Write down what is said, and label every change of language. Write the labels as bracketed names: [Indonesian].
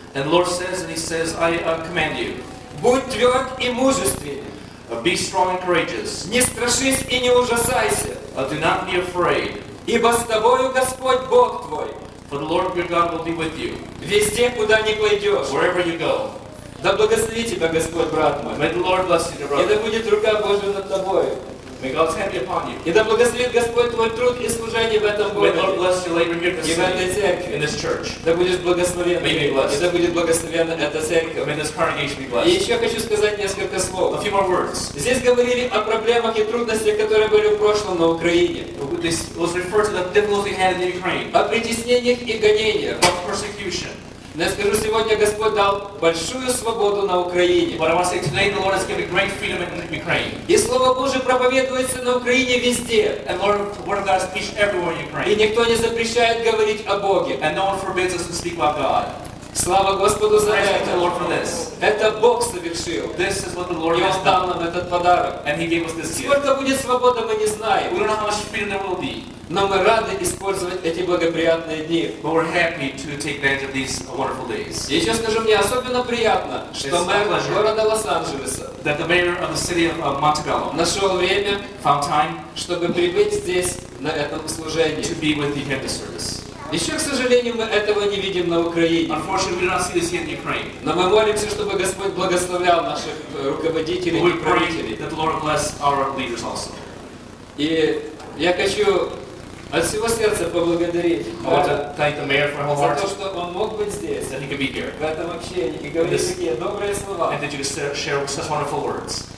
[English] And Lord says, and he says, I command you. [Russian] Будь тверд и мужественен. [English] Be strong and courageous. [Russian] Не страшись и не ужасайся. [English] Do not be afraid. [Russian] Ибо с тобою Господь Бог твой. [English] For the Lord your God will be with you. [Russian] Везде, куда ни пойдешь. [English] Wherever you go. [Russian] Да благослови тебя Господь, брат мой. [English] May the Lord bless you, brother. [Russian] И да будет рука Божия над тобою. [English] May God's hand be upon you. [Russian] И да благословит Господь твой труд и служение в этом городе. [English] May the Lord bless your labor here in this church. In this church. [Russian] Да будешь благословен. [English] May be blessed. [Russian] И да будет благословена эта церковь. [English] May this congregation be blessed. [Russian] И еще хочу сказать несколько слов. [English] A few more words. [Russian] Здесь говорили о проблемах и трудностях, которые были в прошлом на Украине. [English] This was referred to the difficulties we had in the Ukraine. [Russian] О притеснениях и гонениях. [English] About persecution. [Russian] Но я скажу, сегодня Господь дал большую свободу на Украине. [English] But I must say, today the Lord has given great freedom in Ukraine. [Russian] И Слово Божие проповедуется на Украине везде. [English] And Lord, the Word of God is preached everywhere in Ukraine. [Russian] И никто не запрещает говорить о Боге. [English] And no one forbids us to speak about God. [Russian] Слава Господу за [English] Praise [Russian] это. [English] The Lord for this. [Russian] Это Бог совершил. [English] This is what the Lord [Russian] и Он дал нам этот подарок. [English] And He gave us this gift. [Russian] Сколько будет свобода, мы не знаем. [English] We don't know how much freedom there will be. [Russian] Но мы рады использовать эти благоприятные дни. [English] But we're happy to take advantage of these wonderful days. [Russian] Я еще скажу, мне особенно приятно, что мэр города Лос-Анджелеса, [English] that the mayor of the city of Montebello, [Russian] нашел время, [English] found time, [Russian] чтобы прибыть здесь на этом служении, [English] to be with the Hampton service. [Russian] Еще, к сожалению, мы этого не видим на Украине. [English] Unfortunately, we do not see this yet in Ukraine. [Russian] Но мы молимся, чтобы Господь благословлял наших руководителей и правителей. [English] That the Lord bless our leaders also. [Russian] И я хочу от всего сердца поблагодарить за то, что он мог быть здесь, [English] that he could be here. [Russian] В этом общении и говорить такие добрые слова. [English] And that you could share such wonderful words.